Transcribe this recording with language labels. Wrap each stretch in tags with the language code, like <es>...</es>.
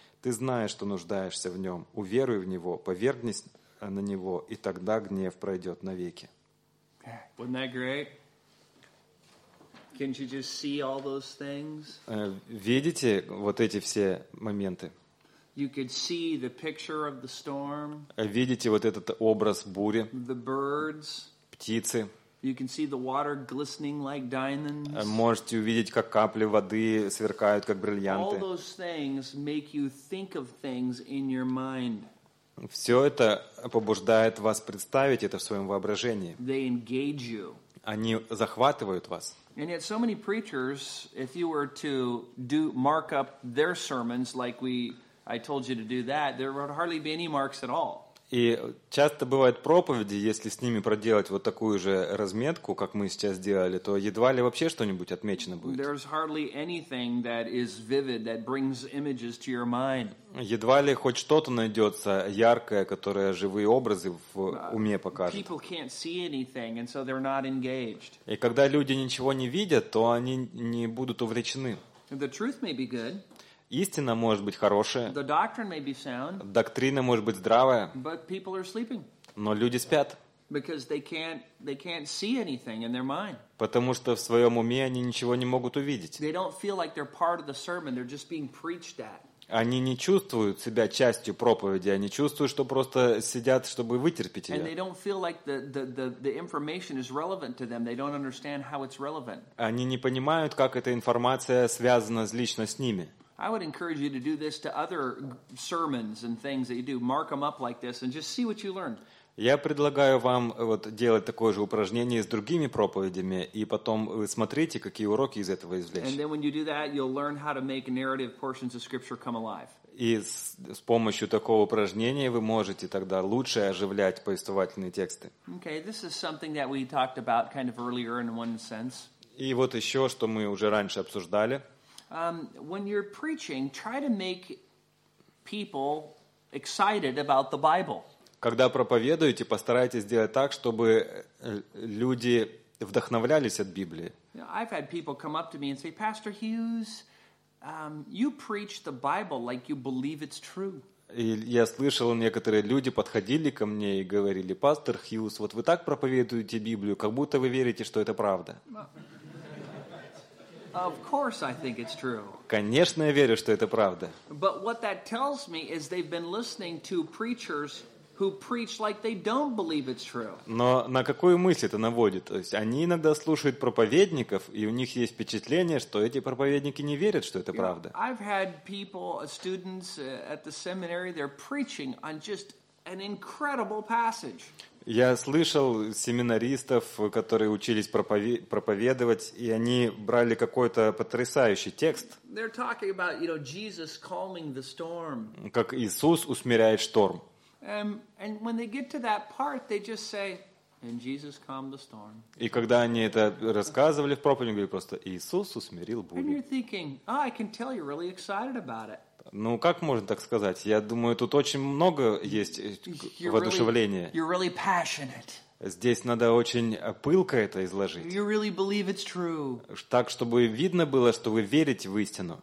<ru>Ты знаешь, что нуждаешься в нем. Уверуй в него, повергнись на него, и тогда гнев пройдет навеки.</ru> <en>Wasn't that great? Can't you just see all those things?</en> <ru>Видите вот эти все моменты?</ru> <en>You could see the picture of the storm.</en> <ru>Видите вот этот образ бури?</ru> <en>The birds.</en> <ru>Птицы.</ru> <en>You can see the water glistening like diamonds.</en> <ru>Можете увидеть, как капли воды сверкают, как бриллианты.</ru> <en>All those things make you think of things in your mind.</en> <ru>Все это побуждает вас представить это в своем воображении.</ru> <en>They engage you.</en> <ru>Они захватывают вас.</ru> <en>And yet so many preachers, if you were to do mark up their sermons like I told you to do that, there would hardly be any marks at all.</en> <ru>И часто бывают проповеди, если с ними проделать вот такую же разметку, как мы сейчас сделали, то едва ли вообще что-нибудь отмечено будет.</ru> <en>There's hardly anything that is vivid that brings images to your mind.</en> <ru>Едва ли хоть что-то найдется яркое, которое живые образы в уме покажет.</ru> <en>People can't see anything, and so they're not engaged.</en> <ru>И когда люди ничего не видят, то они не будут увлечены.</ru> <en>The truth may be good.</en> <ru>Истина может быть хорошая.</ru> <en>The doctrine may be sound.</en> <ru>Доктрина может быть здравая.</ru> <en>But people are sleeping.</en> <ru>Но люди спят.</ru> <en>Because they can't see anything in their mind.</en> <ru>Потому что в своем уме они ничего не могут увидеть.</ru> <en>They don't feel like they're part of the sermon. They're just being preached at.</en> <ru>Они не чувствуют себя частью проповеди, они чувствуют, что просто сидят, чтобы вытерпеть ее. Они не понимают, как эта информация связана лично с ними.</ru> <en>I would encourage you to do this to other sermons and things that you do. Mark them up like this and just see what you learn.</en> <ru>Я предлагаю вам вот делать такое же упражнение с другими проповедями, и потом вы смотрите, какие уроки из этого извлечь.</ru> <en>And then when you do that, you'll learn how to make narrative portions of Scripture come alive.</en> <ru>И с помощью такого упражнения вы можете тогда лучше оживлять повествовательные тексты.</ru> <en>Okay, this is something that we talked about kind of earlier in one sense.</en> <ru>И вот еще, что мы уже раньше обсуждали.</ru> <en>When you're preaching, try to make people excited about the Bible.</en> <ru>Когда проповедуете, постарайтесь сделать так, чтобы люди вдохновлялись от Библии.</ru> <en>I've had people come up to me and say, Pastor Hughes, You preach the Bible like you believe it's true.</en> <ru>И я слышал, некоторые люди подходили ко мне и говорили: «Пастор Хьюз, вот вы так проповедуете Библию, как будто вы верите, что это правда».</ru> <en>Of course I think it's true.</en> <ru>Конечно, я верю, что это правда.</ru> <en>But what that tells me is they've been listening to preachers who preach like they don't believe it's true.</en> <ru>Но на какую мысль это наводит? То есть они иногда слушают проповедников, и у них есть впечатление, что эти проповедники не верят, что это правда.</ru> <en>I've had people, students at the seminary, they're preaching on just an incredible passage.</en> <ru>Я слышал семинаристов, которые учились проповедовать, и они брали какой-то потрясающий текст.</ru> <en>They're talking about, you know, Jesus calming the storm.</en> <ru>Как Иисус усмиряет шторм.</ru> <en>And when they get to that part, they just say, "And Jesus calmed the storm."</en> <ru>И когда они это рассказывали в проповеди, говорили просто: "Иисус усмирил бурю."</ru> <en>And you're thinking, "Oh, I can tell you're really excited about it."</en> <ru>Ну, как можно так сказать? Я думаю, тут очень много есть воодушевления.</ru> <en>You're really passionate.</en> <ru>Здесь надо очень пылко это изложить.</ru> <en>You really believe it's true.</en> <ru>Так, чтобы видно было, что вы верите в истину.</ru>